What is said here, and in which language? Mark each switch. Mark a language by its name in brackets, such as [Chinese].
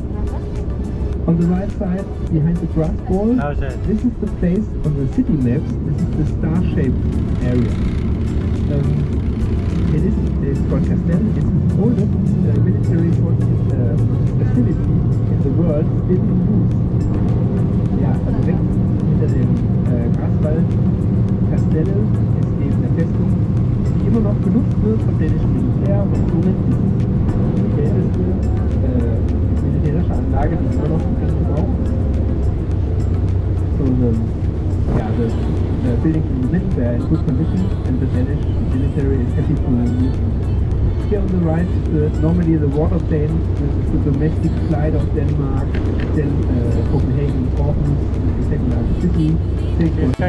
[English] On the right side, behind the grass wall, this is the place on the city maps, this is the star-shaped area. It is called Castell. It's the oldest military facility in the world still in use. [German] Yeah, also weg hinter dem Graswald, Castell ist eben eine Festung, die immer noch genutzt wird vom dänischen Militär und somit ist es die älteste militärische Anlage, die immer noch in Gebrauch ist. [English] So, the building in the middle, they are in good condition and the Danish military is happy to use it. Here on the right, normally the water plane, this is the domestic flight of Denmark, then Copenhagen, Horten, the second largest city.